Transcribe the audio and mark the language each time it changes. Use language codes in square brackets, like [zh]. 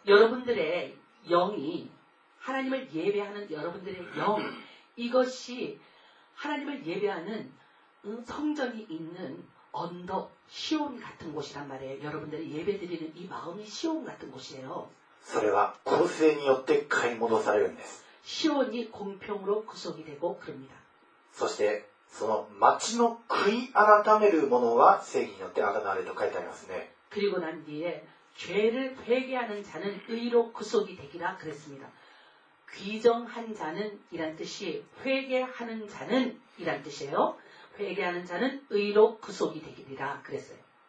[ko] 여러분들의영이하나님을예배하는여러분들의영이것이하나님을예배하는성전이있는언덕시온같은곳이란말이에요여러분들이예배드리는이마음이시온같은곳이에요 [ja] それは公正によって買い戻されるんです [ko] 시온이공평으로구속이되고그럽니다 [ja] そしてその町の悔い改める者は正義によってあがなわれると書いてありますね [ko] 그리고난뒤에죄를회개하는자는의로구속이되기라그랬습니다귀정한자는이란뜻이회개하는자는이란뜻이에요회개하는자는의로구속이되기라그랬어요